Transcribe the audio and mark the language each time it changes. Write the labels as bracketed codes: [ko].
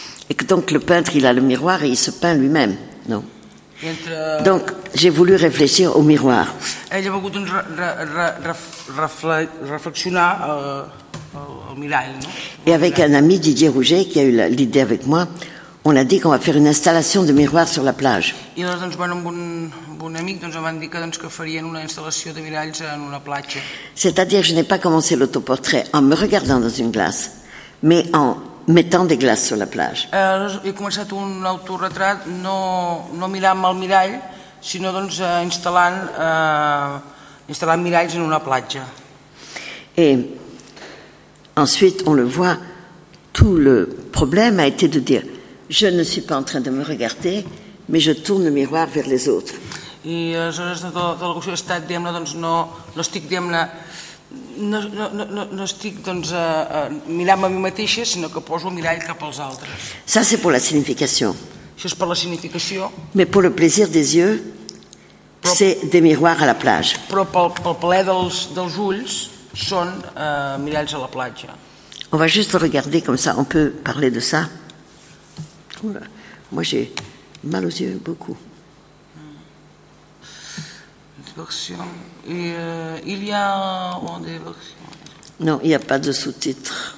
[fr] Et que donc le peintre, il a le miroir et il se peint lui-même, non? Donc, j'ai voulu réfléchir au miroir. [ca] Ella ha volgut doncs, reflexionar al mirall, no? [fr] Et avec un ami, Didier Rouget, qui a eu l'idée avec moi, on a dit qu'on va faire une installation de miroirs sur la plage. [ca] I llavors, doncs, bueno, un amic, doncs, van dir que, doncs, que farien una instal·lació de miralls en una platja. [fr] C'est-à-dire que je n'ai pas commencé l'autoportrait en me regardant dans une glace, mais en mettant des glaces sur la plage. [ca] He començat un autorretrat no mirant-me al mirall, sinó, doncs, instal·lant instal·lant miralls en una platja. [fr] Et ensuite, on le voit, tout le problème a été de dire je ne suis pas en train de me regarder, mais je tourne le miroir vers les autres. [ca] I aleshores, tota la qüestió ha estat, diguem-ne, doncs no estic, diguem-ne, no estic doncs, mirant a mi mateixa, sinó que poso mirall cap als altres. [fr] Ça, c'est pour la signification. [ca] Això és per la significació. [fr] Mais pour le plaisir des yeux, c'est des miroirs à la plage. [ca] Però pel plaer dels ulls, són miralls a la platja. [fr] On va juste regarder comme ça, on peut parler de ça. Oula, moi j'ai mal aux yeux, beaucoup. Il y a une diversion. Non, il n'y a pas de sous-titres.